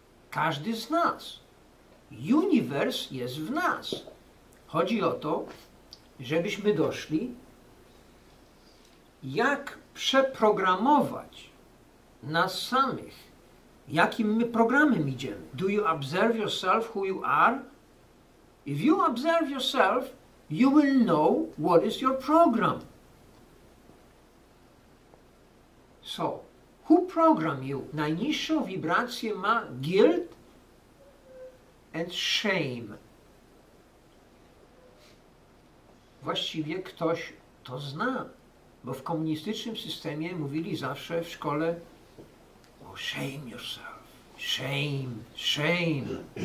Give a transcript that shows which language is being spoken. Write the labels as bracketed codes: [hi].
[pl] Każdy z nas. Universe jest w nas. Chodzi o to, żebyśmy doszli, jak przeprogramować nas samych, jakim my programem idziemy. [en] Do you observe yourself who you are? If you observe yourself, you will know what is your program. So, who program you? [pl] Najniższą wibrację ma [en] guilt and shame. [pl] Właściwie ktoś to zna, bo w komunistycznym systemie mówili zawsze w szkole: [en] oh, shame yourself, shame, shame.